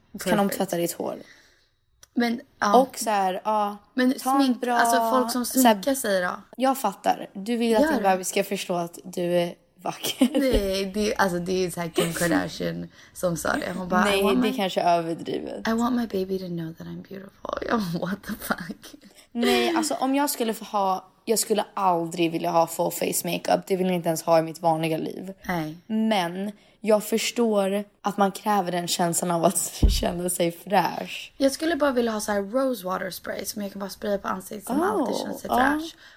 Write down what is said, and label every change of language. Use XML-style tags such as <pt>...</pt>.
<sv>Okay. Kan de tvätta ditt hår? Men, och så här, ja. Men smink, bra, alltså folk som sminkar sig då. Jag fattar. Du vill att din bebis ska förstå att du är vacker. Nej, det är så här Kim Kardashian som sa det. Hon bara, nej, det är kanske överdrivet.</sv> <en>I want my baby to know that I'm beautiful. What the fuck?</en> <sv>Nej, alltså om jag skulle få ha... Jag skulle aldrig vilja ha full face makeup. Det vill jag inte ens ha i mitt vanliga liv. Nej. Men jag förstår att man kräver den känslan av att känna sig fräsch. Jag skulle bara vilja ha så här rose water spray som jag kan bara sprida på ansiktet som alltid känns sig fräsch.</sv>